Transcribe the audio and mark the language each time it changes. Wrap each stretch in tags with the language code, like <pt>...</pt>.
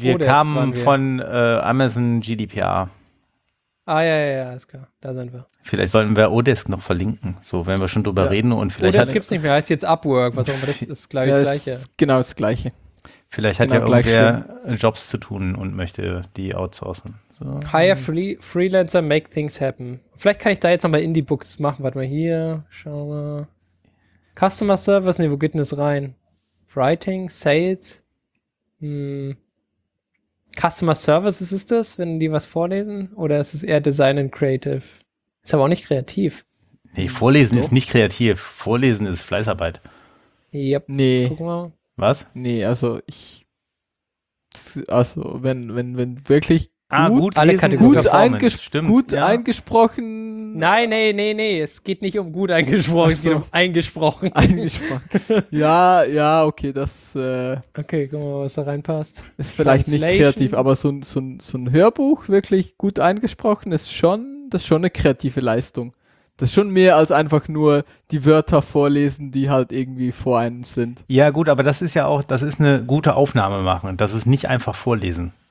<de>Wir kamen von Amazon GDPR. Ah, ja, ja, ja, ist klar. Da sind wir. Vielleicht sollten wir Odesk noch verlinken. So, wenn wir schon drüber reden und vielleicht. Odesk gibt es nicht mehr, heißt jetzt Upwork. Was auch immer, das ist gleich das Gleiche. Genau das Gleiche. Vielleicht hat ja irgendwer Jobs zu tun und möchte die outsourcen. So.</de> <en>Hire Freelancer, make things happen.</en> <de>Vielleicht kann ich da jetzt nochmal Indie-Books machen. Warte mal hier, schau mal. Customer Service, nee, wo geht denn das rein? Writing, Sales, Customer Service, ist das, wenn die was vorlesen? Oder ist es eher Design and Creative? Ist aber auch nicht kreativ. Nee, vorlesen ist nicht kreativ. Vorlesen ist Fleißarbeit.</de> <en>Yep.</en> <de>Nee. Gucken wir. Was? Nee, also ich. Also, wenn wirklich gut, alle Kategorien gut, gut eingesprochen. Nein, nee, es geht nicht um gut eingesprochen, es geht um eingesprochen. Eingesprochen. Ja, ja, okay, das. Okay, guck mal, was da reinpasst. Ist vielleicht nicht kreativ, aber so ein Hörbuch wirklich gut eingesprochen ist schon eine kreative Leistung. Das ist schon mehr als einfach nur die Wörter vorlesen, die halt irgendwie vor einem sind. Ja, gut, aber das ist ja auch, das ist eine gute Aufnahme machen. Das ist nicht einfach vorlesen.</de>